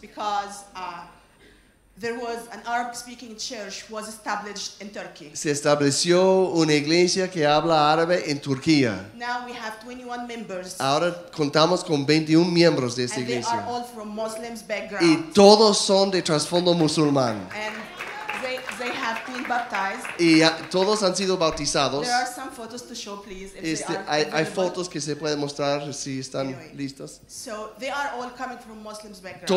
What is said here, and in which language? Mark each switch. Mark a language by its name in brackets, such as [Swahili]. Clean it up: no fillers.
[English] Because, there was an Arab-speaking church was established in Turkey. [Spanish] Se estableció una iglesia que habla árabe en Turquía. [English] Now we have 21 members. [Spanish] Ahora contamos con 21 miembros de esta iglesia. [English] And they are all from Muslims' background. [Spanish] Y todos son de trasfondo musulmán. [English] And they have been baptized. [Spanish] Y todos han sido bautizados. [English] There are some photos to show, please. If [Spanish] hay fotos que se pueden mostrar si están anyway, listos. [English] So they are all coming from Muslims' background.